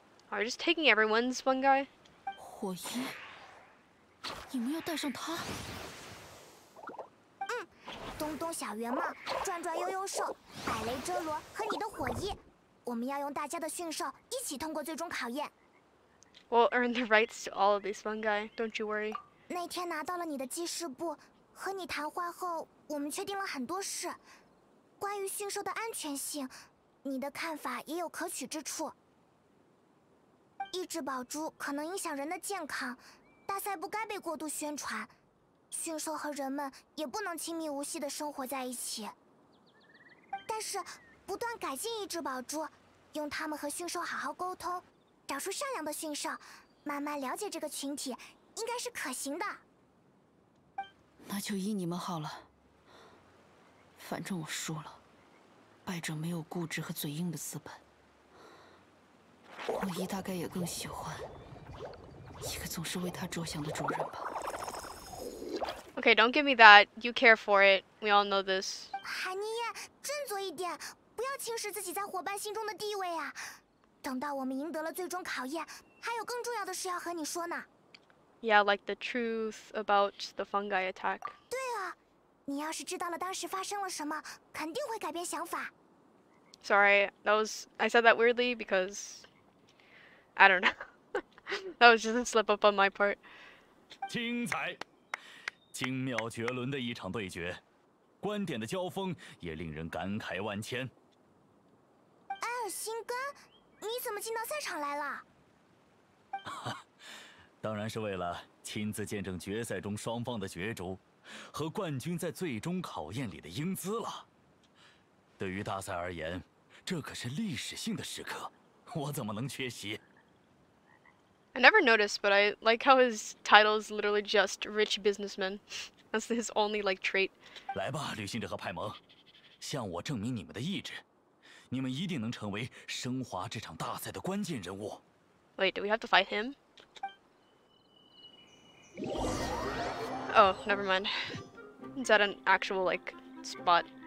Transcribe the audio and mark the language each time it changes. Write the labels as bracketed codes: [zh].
[en] Are you just taking everyone's one guy? [zh] 火翼，你们要带上他？嗯，东东小圆帽，转转悠悠兽，百雷遮罗和你的火翼，我们要用大家的驯兽一起通过最终考验。 [en] We'll earn the rights to all of these fun guy, don't you worry. [zh] 那天拿到了你的记事簿，和你谈话后，我们确定了很多事。关于驯兽的安全性，你的看法也有可取之处。一只宝珠可能影响人的健康，大赛不该被过度宣传，驯兽和人们也不能亲密无隙地生活在一起。但是，不断改进一只宝珠，用它们和驯兽好好沟通。找出善良的驯兽，慢慢了解这个群体，应该是可行的。那就依你们好了。反正我输了，败者没有固执和嘴硬的资本。火翼大概也更喜欢一个总是为他着想的主人吧。 [en] Okay, don't give me that. You care for it. We all know this. [zh] 韩妮耶，振作一点，不要轻视自己在伙伴心中的地位啊。等到我们赢得了最终考验，还有更重要的事要和你说呢。 [en] Yeah, like the truth about the fungi attack. [zh] 对啊，你要是知道了当时发生了什么，肯定会改变想法。 [en] Sorry, I said that weirdly because I don't know. That was just a slip up on my part. [zh] 精彩，精妙绝伦的一场对决，观点的交锋也令人感慨万千。艾尔辛根。你怎么进到赛场来了？当然是为了亲自见证决赛中双方的角逐和冠军在最终考验里的英姿了。对于大赛而言，这可是历史性的时刻，我怎么能缺席？ [en] I never noticed, but I like how his title is literally just rich businessman. That's his only like trait. [zh] 来吧，旅行者和派蒙，向我证明你们的意志，你们一定能成为升华这场大赛的关键人物。 [en] Wait, do we have to fight him? Oh, never mind. Is that an actual, like, spot?